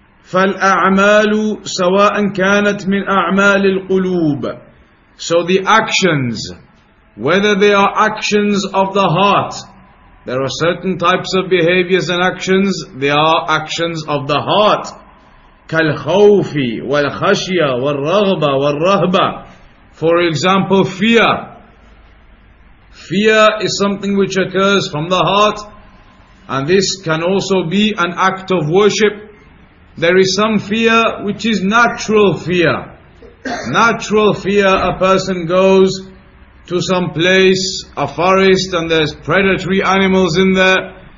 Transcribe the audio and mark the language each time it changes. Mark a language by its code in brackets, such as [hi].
[ar] فَالْأَعْمَالُ سَوَاءً كَانَتْ مِنْ أَعْمَالِ الْقُلُوبِ [en] So the actions, whether they are actions of the heart, there are certain types of behaviors and actions, they are actions of the heart. [ar] كَالْخَوْفِ وَالْخَشْيَ وَالْرَغْبَ وَالْرَهْبَ [en] For example, fear. Fear is something which occurs from the heart, and this can also be an act of worship. There is some fear which is natural fear. Natural fear, a person goes to some place, a forest, and there's predatory animals in there.